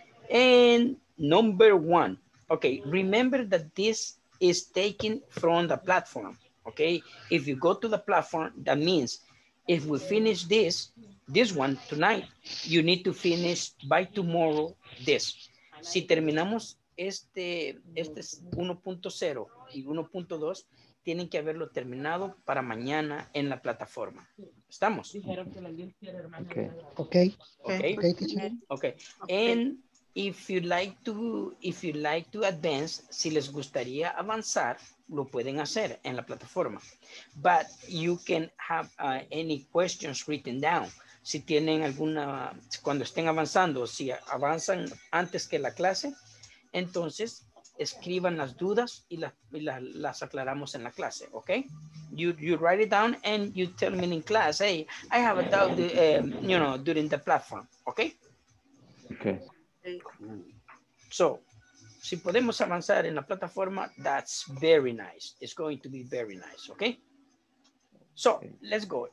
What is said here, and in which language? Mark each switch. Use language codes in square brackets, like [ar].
[en] And number one, okay, remember that this is taken from the platform, okay? If you go to the platform, that means if we finish this one tonight, you need to finish by tomorrow this. [es] Si terminamos este 1.0 y 1.2, tienen que haberlo terminado para mañana en la plataforma. ¿Estamos? [en] Okay. And If you like to advance, [es] si les gustaría avanzar, lo pueden hacer en la plataforma. [en] But you can have any questions written down. [es] Si tienen alguna, cuando estén avanzando, si avanzan antes que la clase, entonces escriban las dudas y las aclaramos en la clase, okay? [en] You write it down and you tell me in class, hey, I have a doubt, you know, during the platform, okay? Okay. [es] So, si podemos avanzar en la plataforma, [en] that's very nice. It's going to be very nice, okay? So, let's go.